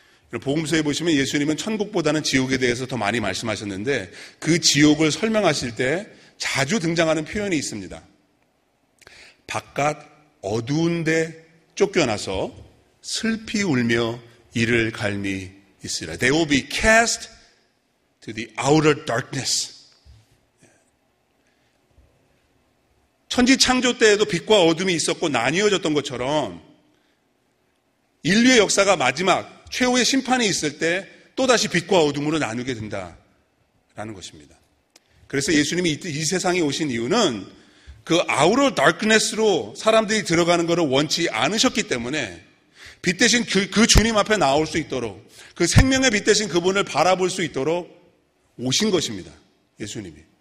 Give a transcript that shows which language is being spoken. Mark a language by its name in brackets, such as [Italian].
[Korean] 복음서에 보시면 예수님은 천국보다는 지옥에 대해서 더 많이 말씀하셨는데 그 지옥을 설명하실 때 자주 등장하는 표현이 있습니다. 바깥 어두운 데 쫓겨나서 슬피 울며 이를 갈미 있으라. [English] They will be cast to the outer darkness. [Korean] 천지 창조 때에도 빛과 어둠이 있었고 나뉘어졌던 것처럼 인류의 역사가 마지막 최후의 심판이 있을 때 또다시 빛과 어둠으로 나누게 된다라는 것입니다. 그래서 예수님이 이 세상에 오신 이유는 그 아우러 다크네스로 사람들이 들어가는 것을 원치 않으셨기 때문에 빛 대신 그 주님 앞에 나올 수 있도록, 그 생명의 빛 대신 그분을 바라볼 수 있도록 오신 것입니다. 예수님이.